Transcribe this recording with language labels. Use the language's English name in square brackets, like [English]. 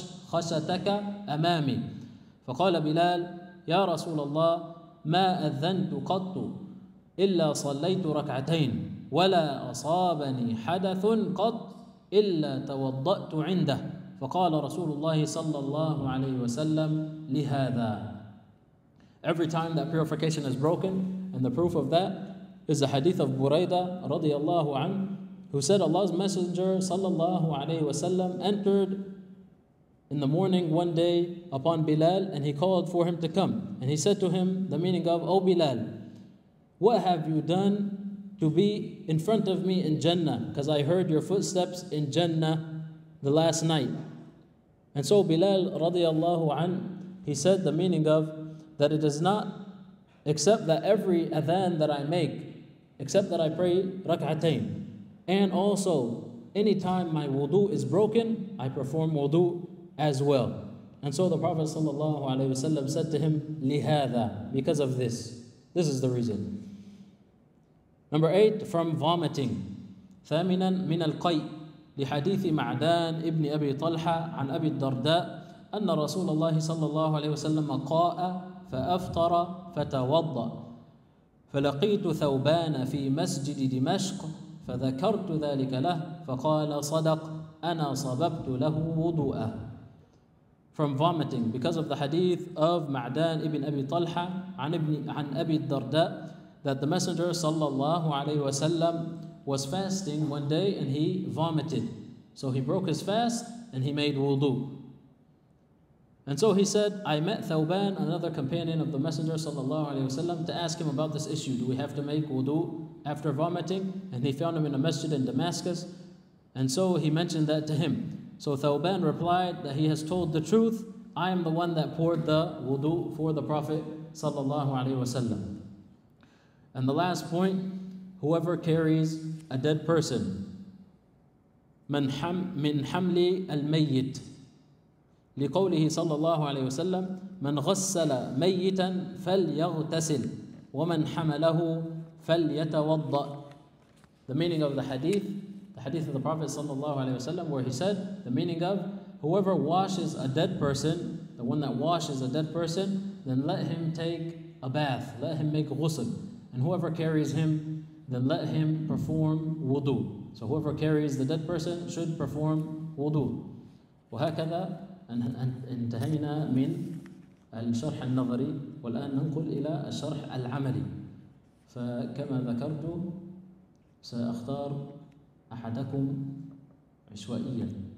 [Arabic] خشتك أمامي فقال بلال يا رسول الله ما أذنت قط إلا صليت ركعتين ولا أصابني حدث قط إلا توضأت عنده فقال رسول الله صلى الله عليه وسلم لهذا. [English] Every time that purification is broken, and the proof of that is the hadith of Burayda radiallahu anhu, who said Allah's Messenger sallallahu alayhi wasallam entered in the morning one day upon Bilal and he called for him to come. And he said to him, the meaning of, O Bilal, what have you done to be in front of me in Jannah? Because I heard your footsteps in Jannah the last night. And so Bilal radiallahu anhu, he said the meaning of, that it is not except that every adhan that I make, except that I pray rak'atayn. And also, any time my wudu is broken, I perform wudu as well. And so the Prophet sallallahu alayhi wasallam said to him, لِهَذَا, because of this. This is the reason. Number 8, from vomiting. [Arabic] ثَامِنًا مِنَ الْقَيْءِ لِحَدِيثِ مَعْدَانِ إِبْنِ أَبِي طَلْحَ عَنْ أَبِي الدَّرْدَاءِ أَنَّ رَسُولَ اللَّهِ صَلَّى اللَّهُ عَلَيْهِ وَسَلَّمَ قَاءَ فَأَفْطَرَ فَتَوَضَّأَ فلقيت ثوبان في مسجد دمشق فذكرت ذلك له فقال صدق أنا صببت له وضوءه. [English] From vomiting, because of the hadith of Ma'dan ibn Abi Talha عن Abi Darda, that the Messenger sallallahu alayhi wasallam was fasting one day and he vomited. So he broke his fast and he made wudu. And so he said, I met Thawban, another companion of the Messenger sallallahu alayhi wasallam, to ask him about this issue. Do we have to make wudu after vomiting? And he found him in a masjid in Damascus. And so he mentioned that to him. So Thawban replied that he has told the truth. I am the one that poured the wudu for the Prophet sallallahu alayhi wasallam. And the last point, whoever carries a dead person. [Arabic] من حمل الميت. لقوله صلى الله عليه وسلم من غسل ميتا فليغتسل ومن حمله فليتوضأ. [English] The meaning of the hadith of the Prophet صلى الله عليه وسلم, where he said, the meaning of, whoever washes a dead person, the one that washes a dead person, then let him take a bath, let him make ghusl, and whoever carries him, then let him perform wudu. So whoever carries the dead person should perform wudu. [Arabic] وهكذا انتهينا من الشرح النظري, والآن ننقل إلى الشرح العملي. فكما ذكرت سأختار أحدكم عشوائيا.